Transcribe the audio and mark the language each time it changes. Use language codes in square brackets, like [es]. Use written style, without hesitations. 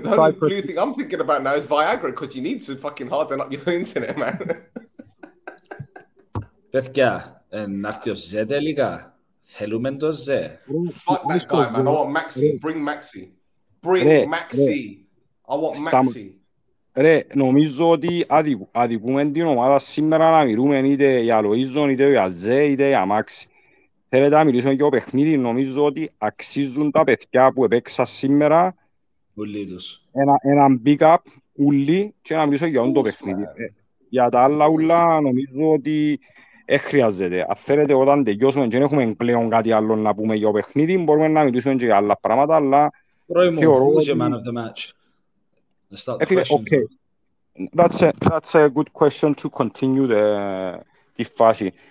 [en] the only blue thing I'm thinking about now is Viagra because you need to fucking harden up your internet, man. [el] Πέθκια, ναύτε ο Ζε τελικά. Θέλουμε το Ζε. [en] Fuck that guy, man. I want Maxi. Bring Maxi. [el] Ρε, νομίζω ότι αδικούμε την ομάδα σήμερα να μιλούμε είτε για Λοΐζον, είτε για Ζε, είτε για Μάξι. θέλετε να μιλήσουμε για το παιχνίδι, νομίζω ότι αξίζουν τα παιδιά που επέξα σήμερα. Ολίδος. Ένα big up, ούλοι, και να μιλήσω για το παιχνίδι. Για τα άλλα ούλα, νομίζω ότι χρειάζεται. Αν θέλετε, όταν τελειώσουμε και έχουμε πλέον κάτι άλλο να πούμε για το παιχνίδι, μπορούμε να μιλήσουμε και για άλλα πράγματα, αλλά... Πρώτη μου, [en] who's your man of the match? Let's start the question. Okay. That's a good question to continue the fase.